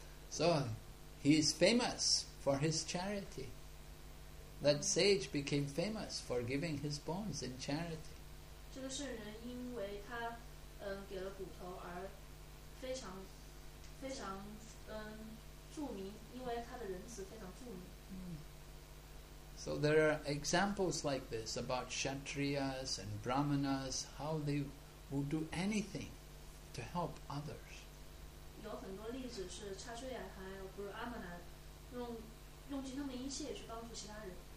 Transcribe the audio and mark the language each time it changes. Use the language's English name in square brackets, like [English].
[English] So he is famous for his charity. That sage became famous for giving his bones in charity. [Chinese] 这个圣人因为他给了骨头而非常非常著名，因为他的仁慈非常著名。 [English] So there are examples like this about Kshatriyas and Brahmanas, how they will do anything to help others. [Chinese] 有很多例子是查修亚还有布拉玛那用尽他们一切去帮助其他人。